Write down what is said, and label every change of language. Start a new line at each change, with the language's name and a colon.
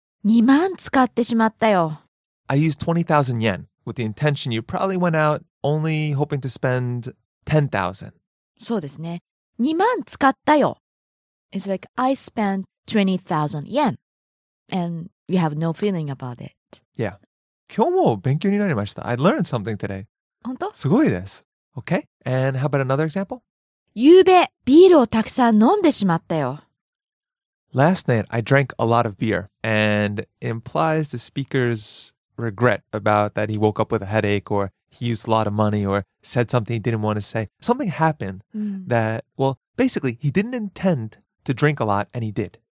Japanese: 2万使ってしまったよ。
English: I used 20,000 yen with the intention you probably went out only hoping to spend 10,000.
Japanese: そうですね。2万使ったよ。
English: It's like, I spent 20,000 yen and you have no feeling about it. Yeah.
Japanese: 今日も勉強になりました。
English: I learned something today.
Japanese: 本当？すごいです。
English: Okay, and how about another example?
Japanese: ゆうべビールをたくさん飲んでしまったよ。
English: Last night, I drank a lot of beer, and it implies the speaker's regret about that he woke up with a headache, or he used a lot of money, or said something he didn't want to say. Something happened that, well, basically, he didn't intend to drink a lot, and he did.